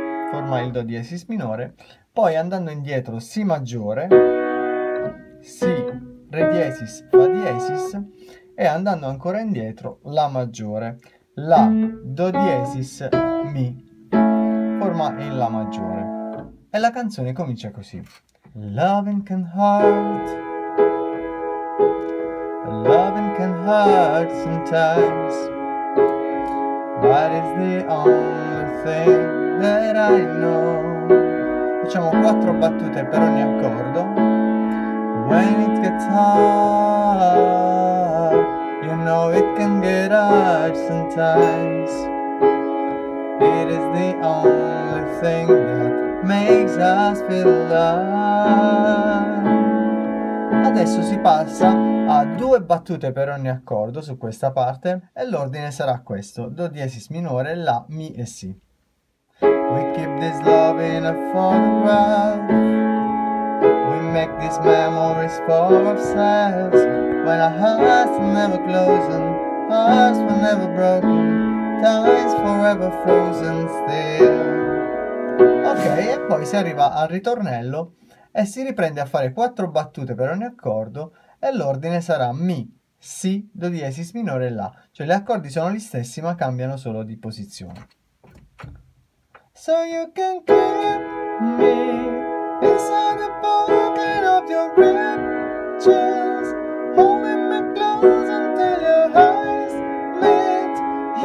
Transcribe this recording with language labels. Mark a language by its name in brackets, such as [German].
[Italian] forma il Do diesis minore, poi andando indietro Si maggiore, Si, Re diesis, Fa diesis e andando ancora indietro La maggiore, La, Do diesis, Mi, forma il La maggiore. E la canzone comincia così. [English] Loving can hurt, loving can hurt sometimes, but it's the only thing that I know. [Italian] Facciamo quattro battute per ogni accordo. [English] When it gets hard, you know it can get hard sometimes. It is the only thing that makes us feel alive. [Italian] Adesso si passa a due battute per ogni accordo su questa parte e l'ordine sarà questo: Do diesis minore, La, Mi e Si. [English] We keep this love in a photograph. Make these memories for ourselves. When our hearts are never closing, hearts were never broken, time's forever frozen still. [Italian] Ok, e poi si arriva al ritornello e si riprende a fare quattro battute per ogni accordo e l'ordine sarà Mi, Si, Do diesis minore, La. Cioè gli accordi sono gli stessi ma cambiano solo di posizione. [English] So you can keep me inside the pocket of your ripped jeans, holding me close until your eyes meet.